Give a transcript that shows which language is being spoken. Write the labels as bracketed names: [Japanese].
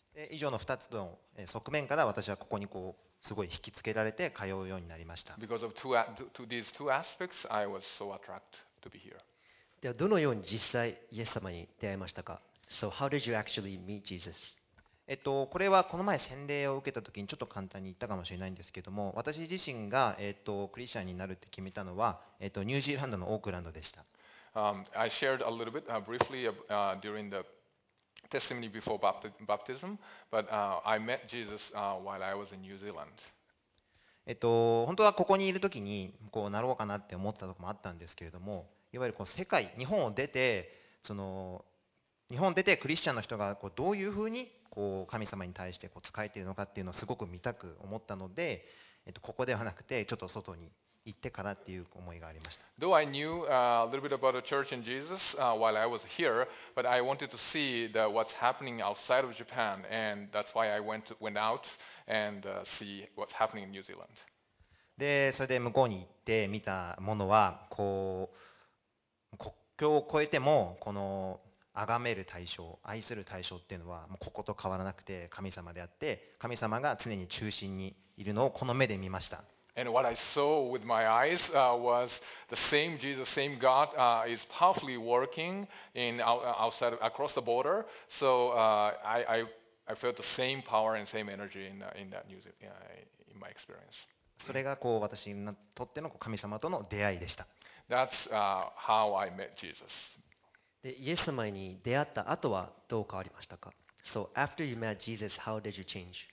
[Japanese] 以上の2つの側面から私はここにこうすごい引きつけられて通うようになりました。 [English] Because of two these two aspects, I was so attracted to be here. [Japanese] ではどのように実際イエス様に出会いましたか ？ [English] So how did you actually meet Jesus? [Japanese] これはこの前洗礼を受けた時にちょっと簡単に言ったかもしれないんですけども、私自身がクリスチャンになるって決めたのはニュージーランドのオークランドでした。 [English] I shared a little bit briefly during the testimony before baptism, but I met Jesus while I was in New Zealand. [Japanese] 本当はここにいる時にこうなろうかなって思ったところもあったんですけれども、いわゆるこう世界、日本を出てその日本出てクリスチャンの人がこうどういうふうにこう神様に対してこう使えているのかっていうのをすごく見たく思ったので、ここではなくてちょっと外に行ってからっていう思いがありました。 [English] Though I knew a little bit about the church and Jesus while I was here, but I wanted to see the what's happening outside of Japan, and that's why I went out and see what's happening in New Zealand. [Japanese] で、それで向こうに行って見たものはこう国境を越えてもこの崇める対象、愛する対象っていうのはもうここと変わらなくて神様であって、神様が常に中心にいるのをこの目で見ました。 [English] And what I saw with my eyes was the same Jesus, same God is powerfully working in outside across the border. So I felt the same power and same energy in that news in my experience. [Japanese] それがこう私にとっての神様との出会いでした。 [English] That's how I met Jesus. [Japanese] でイエス様に出会った後はどう変わりましたか。 [English] So after you met Jesus, how did you change?